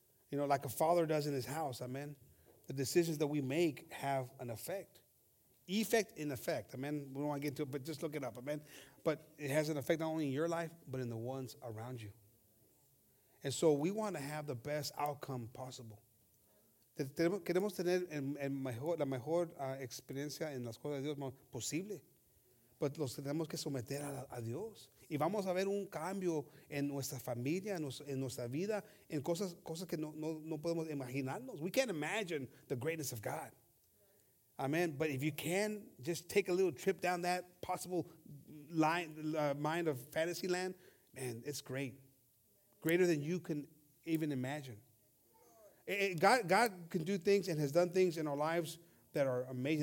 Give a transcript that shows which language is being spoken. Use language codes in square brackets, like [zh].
[en] You know, like a father does in his house. Amen. The decisions that we make have an effect. Effect in effect. Amen. We don't want to get into it, but just look it up. Amen. But it has an effect not only in your life, but in the ones around you. And so we want to have the best outcome possible. [es] Queremos tener la mejor experiencia en las cosas de Dios posible. Pero los tenemos que someter a Dios. Y vamos a ver un cambio en nuestra familia, en nuestra vida, en cosas que no podemos imaginarnos. [en] We can't imagine the greatness of God. Amen. But if you can, just take a little trip down that possible mind of fantasy land, man, it's great. Greater than you can even imagine. God can do things and has done things in our lives that are amazing.